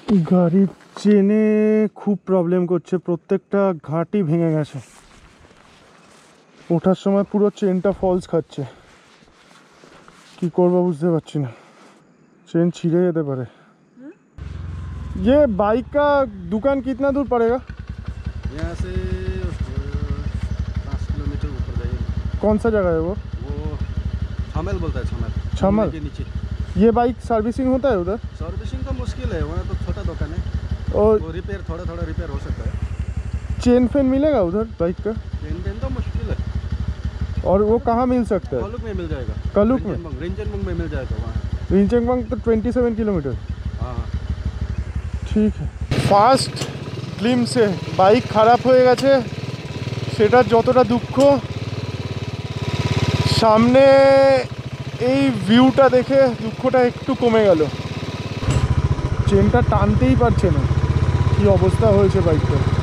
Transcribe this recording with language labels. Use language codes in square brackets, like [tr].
[bn] গাড়ি চেনে খুব প্রবলেম করছে, প্রত্যেকটা ঘাটি ভেঙে গেছে, ওঠার সময় পুরো চেনটা ফলস খাচ্ছে, কি করবো বুঝতে পারছি না, চেন ছিঁড়ে যেতে পারে। [hi] ये बाइक का दुकान कितना दूर पड़ेगा? यहाँ से 5 किलोमीटर ऊपर जाएगा। कौन सा जगह है वो? वो छमल बोलता है, छमल, छमल के नीचे। ये बाइक सर्विसिंग होता है उधर? सर्विसिंग का मुश्किल है, वहाँ तो छोटा दुकान है, और वो रिपेयर थोड़ा थोड़ा रिपेयर हो सकता है। चेन फेन मिलेगा उधर बाइक का? चेन फेन तो मुश्किल है। और वो कहाँ मिल सकता है? कलुक में मिल जाएगा, कलुक में, रिंचेनपोंग में मिल जाएगा, वहाँ रिंचेनपोंग तो 27 किलोमीटर। [bn] ঠিক আছে, ফার্স্ট গ্লিমসে বাইক খারাপ হয়ে গেছে সেটা যতটা দুঃখ, সামনে এই ভিউটা দেখে দুঃখটা একটু কমে গেল, চেনটা টানতেই পারছে না, কি অবস্থা হয়েছে বাইকটা।